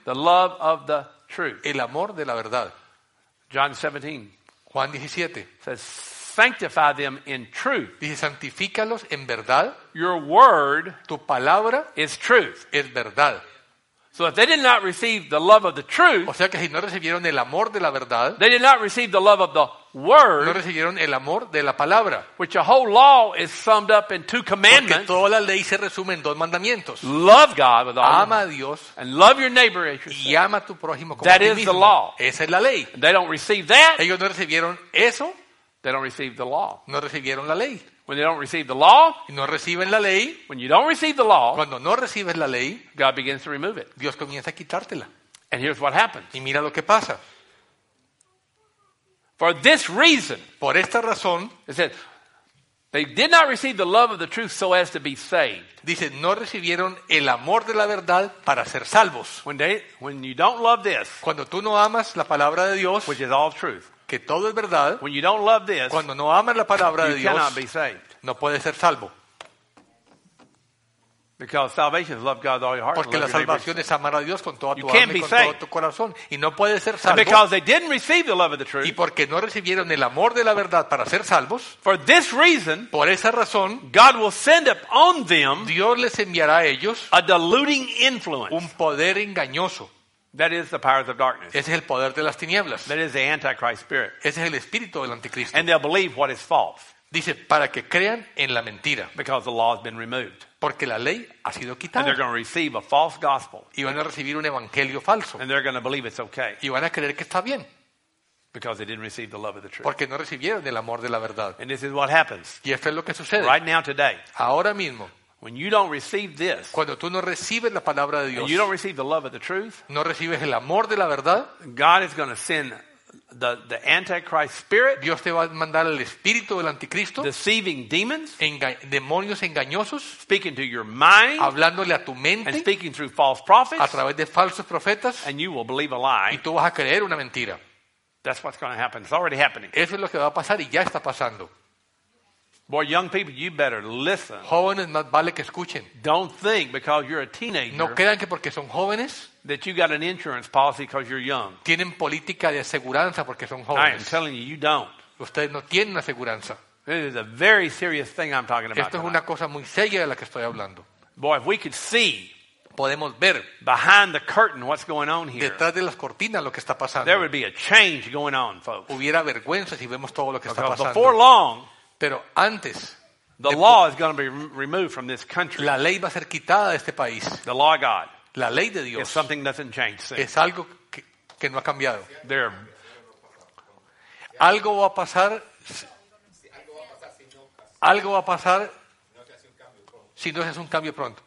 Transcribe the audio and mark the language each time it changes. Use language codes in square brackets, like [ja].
[en] the love of the truth. [es] El amor de la verdad. [en] John 17. [es] Juan 17. [en] Says, sanctify them in truth. [es] Dice, santifícalos en verdad. [en] Your word [es] tu palabra [en] is truth. [es] Es verdad. [en] So if they did not receive the love of the truth, [es] o sea que si no recibieron el amor de la verdad, [en] they did not receive the love of the word, [es] no recibieron el amor de la palabra, [en] which the whole law is summed up in two commandments. [es] Porque toda la ley se resume en dos mandamientos. [en] Love God with all [es] ama a Dios, [en] and love your neighbor as yourself. [es] Y ama a tu prójimo como [en] that [es] a ti [en] is [es] mismo. [en] The law. [es] Esa es la ley. [en] They don't receive that. [es] Ellos no recibieron eso. [en] They don't receive the law. [es] No recibieron la ley. [en] When they don't receive the law, [es] y no reciben la ley, [en] when you don't receive the law, [es] cuando no recibes la ley, [en] God begins to remove it. [es] Dios comienza a quitártela. [en] And here's what happens. [es] Y mira lo que pasa. [en] For this reason, [es] por esta razón, [en] it says, they did not receive the love of the truth so as to be saved. [es] Dice, no recibieron el amor de la verdad para ser salvos. [en] When you don't love this, [es] cuando tú no amas la palabra de Dios, [en] which is all truth, [es] que todo es verdad, [en] when you don't love this, [es] cuando no amas la palabra [en] you [es] de Dios, [en] cannot be saved. [es] No puedes ser salvo. [en] Because salvation is love God all your heart. [es] Porque [en] and [es] la salvación [en] your [es] es amar a Dios con toda tu [en] you [es] alma y con [en] saved. [es] Todo tu corazón y no puedes ser salvo. [en] And because they didn't receive the love of the truth. [es] Y porque no recibieron el amor de la verdad para ser salvos. [en] For this reason, [es] por esa razón, [en] God will send upon them, [es] Dios les enviará a ellos, [en] a deluding influence, [es] un poder engañoso. [en] That is the powers of darkness. [es] Ese es el poder de las tinieblas. [en] That is the antichrist spirit. [es] Ese es el espíritu del anticristo. [en] And they'll believe what is false. [es] Dice, para que crean en la mentira. [en] Because the law has been removed. [es] Porque la ley ha sido quitada. [en] And they're going to receive a false gospel. [es] Y van a recibir un evangelio falso. [en] And they're going to believe it's okay. [es] Y van a creer que está bien. [en] Because they didn't receive the love of the truth. [es] Porque no recibieron el amor de la verdad. [en] And this is what happens. [es] Y esto es lo que sucede. [en] Right now, today. [es] Ahora mismo. [en] When you don't receive this, [es] cuando tú no recibes la palabra de Dios, [en] and you don't receive the love of the truth, [es] no recibes el amor de la verdad, [en] God is going to send the antichrist spirit, [es] Dios te va a mandar el espíritu del anticristo, [en] deceiving demons, [es] demonios engañosos, [en] speaking to your mind, [es] hablándole a tu mente, [en] and speaking through false prophets, [es] a través de falsos profetas, [en] and you will believe a lie, [es] y tú vas a creer una mentira. [en] That's what's going to happen. It's already happening. [es] Eso es lo que va a pasar y ya está pasando. [en] Boy, young people, you better listen. [es] Jóvenes, más vale que escuchen. [en] Don't think because you're a teenager. [es] No crean que porque son jóvenes [en] that you got an insurance policy because you're young. [es] Tienen política de aseguranza porque son jóvenes. [en] I am telling you, you don't. [es] Ustedes no tienen aseguranza. [en] This is a very serious thing I'm talking about. [es] Esto es una cosa muy seria de la que estoy hablando. [en] Boy, if we could see. [es] Podemos ver [en] behind the curtain what's going on here. [es] Detrás de las cortinas lo que está pasando. [en] There would be a change going on, folks. [es] Hubiera vergüenza si vemos todo lo que está pasando. [en] Before long. [es] Pero antes, [en] the law is going to be removed from this country. [es] La ley va a ser quitada de este país. [en] The law of God. [es] La ley de Dios. [en] Is something doesn't change. [es] Es algo que no ha cambiado. [en] There. [es] Algo va a pasar. Algo va a pasar. Si no se hace un cambio pronto.